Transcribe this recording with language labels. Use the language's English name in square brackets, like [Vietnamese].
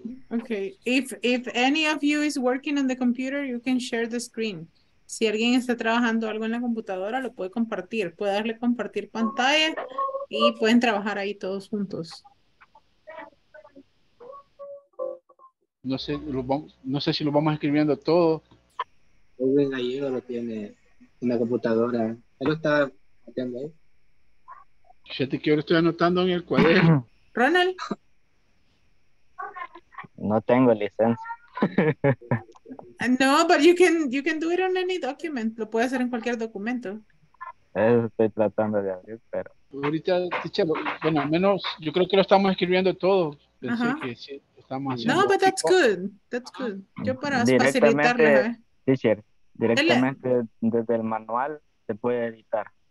[English] Okay, if any of you is working on the computer, you can share the screen. [Spanish] Si alguien está trabajando algo en la computadora, lo puede compartir. Puede darle compartir pantalla y pueden trabajar ahí todos juntos. No sé si lo vamos escribiendo todo. Rubén Gallego lo tiene en la computadora. Él lo está haciendo ahí. Fíjate que yo lo estoy anotando en el cuaderno. Ronald. No tengo licencia. [English] No, but you can do it on any document. [Spanish] Lo puedes hacer en cualquier documento. Estoy tratando de abrir, pero... Ahorita, teacher, bueno, al menos yo creo que lo estamos escribiendo todo. Pensé que sí, lo estamos haciendo. [English] No, but that's tipo. Good. That's good. [Spanish] Yo para facilitarle... Teacher, directamente desde el manual se puede editar.